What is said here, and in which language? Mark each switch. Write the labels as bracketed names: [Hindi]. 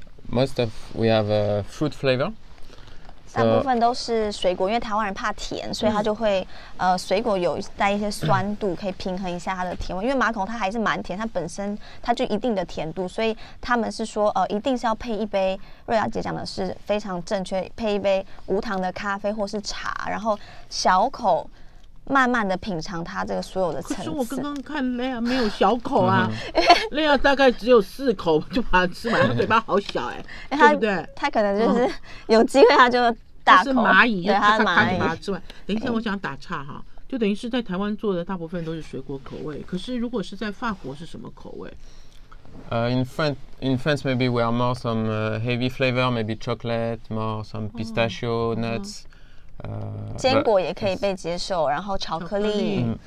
[English] Most of we have a fruit flavor. [Chinese] 大部分都是水果，因为台湾人怕甜，所以他就会水果有带一些酸度，可以平衡一下它的甜味。因为马卡龙它还是蛮甜，它本身它就一定的甜度，所以他们是说一定是要配一杯，瑞瑶姐讲的是非常正确，配一杯无糖的咖啡或是茶，然后小口慢慢的品尝它这个所有的层次。可是我刚刚看 Leia 没有小口啊Leia 大概只有四口就把它吃完，她嘴巴好小哎、欸，对不对？她可能就是有机会她就大口，是蚂蚁，对，她蚂蚁把它吃完。等一下，我想打岔哈，就等于是在台湾做的大部分都是水果口味，可是如果是在法国是什么口味？ [English] In France, maybe we are more some heavy flavor, maybe chocolate, more some pistachio nuts. [Chinese] 坚果也可以被接受，然后巧克力